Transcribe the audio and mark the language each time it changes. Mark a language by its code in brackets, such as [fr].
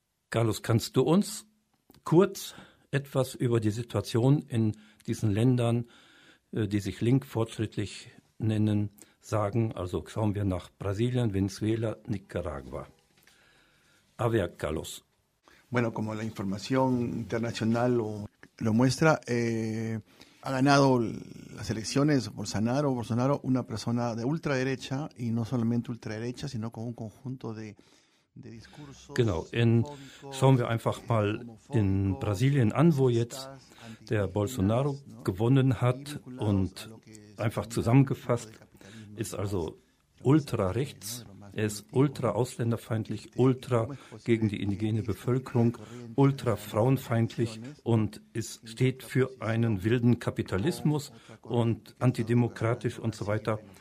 [de] Carlos, kannst du uns kurz etwas über die Situation in diesen Ländern, die sich link fortschrittlich nennen, sagen? Also schauen wir nach Brasilien, Venezuela, Nicaragua. [es] A ver, Carlos. Bueno, como la información internacional lo muestra, ha ganado las elecciones Bolsonaro, una persona de ultraderecha y no solamente ultraderecha, sino con un conjunto de discursos. [de] Genau, schauen wir einfach mal in Brasilien an, wo jetzt der Bolsonaro gewonnen hat und einfach zusammengefasst ist also ultrarechts. Er ist ultra ausländerfeindlich, ultra gegen die indigene Bevölkerung, ultra frauenfeindlich und es steht für einen wilden Kapitalismus und antidemokratisch und so weiter.